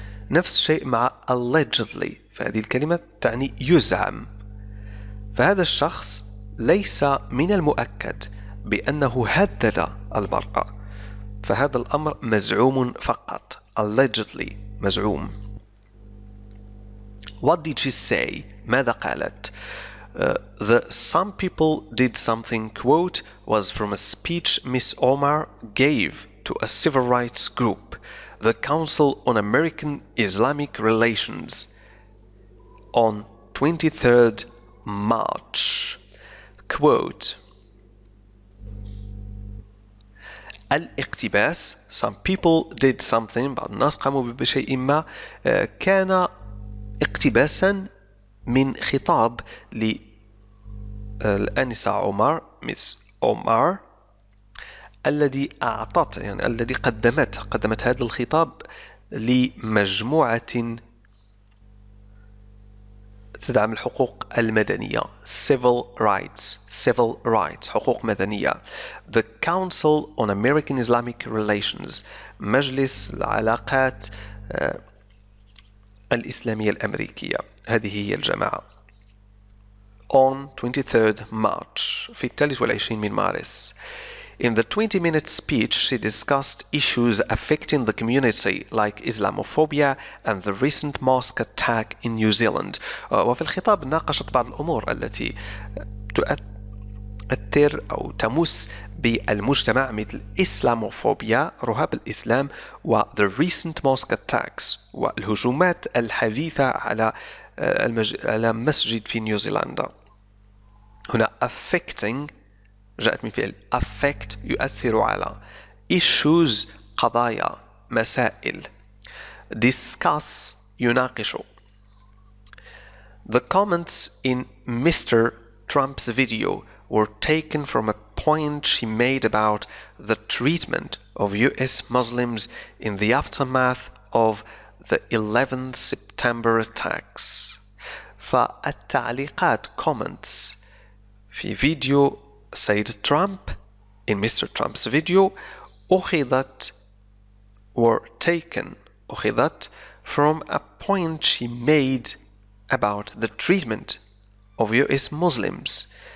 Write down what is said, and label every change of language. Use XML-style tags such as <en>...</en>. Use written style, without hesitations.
<ar>نفس الشيء مع allegedly, فهذه الكلمة تعني يزعم. فهذا الشخص ليس من المؤكد بأنه هدد المرأة, فهذا الأمر مزعوم فقط. Allegedly مزعوم.</ar> <en>What did she say?</en> <ar>ماذا قالت؟</ar> <en>The some people did something quote was from a speech Miss Omar gave to a civil rights group, the Council on American Islamic Relations on 23rd March.</en> <ar>Quote, الاقتباس,</ar> <en>some people did something,</en> <ar>بعض الناس قاموا بشيء ما, كان اقتباسا من خطاب للآنسة عمر, ميس عمر, الذي أعطت يعني الذي قدمت هذا الخطاب لمجموعة تدعم الحقوق المدنية, civil rights حقوق مدنية,</ar> <en>the Council on American Islamic Relations,</en> <ar>مجلس العلاقات الإسلامية الأمريكية, هذه هي الجماعة,</ar> <en>on 23rd March,</en> <ar>في 23 من مارس.</ar> <en>In the 20-minute speech, she discussed issues affecting the community, like Islamophobia and the recent mosque attack in New Zealand.</en> <ar>وفي الخطاب ناقشت بعض الأمور التي تؤثر أو تمس بالمجتمع مثل Islamophobia, رهاب الإسلام, و</ar> <en>the recent mosque attacks,</en> <ar>والهجومات الحديثة على مسجد في نيوزيلندا. هنا affecting جاءت من فعل affect, يؤثر على, issues قضايا مسائل, discuss يناقش.</ar> <en>The comments in Mr. Trump's video were taken from a point she made about the treatment of US Muslims in the aftermath of the 11th September attacks.</en> <ar>فالتعليقات comments في فيديو سيد ترامب,</ar> <en>in Mr. Trump's video, were taken from a point she made about the treatment of US Muslims.</en>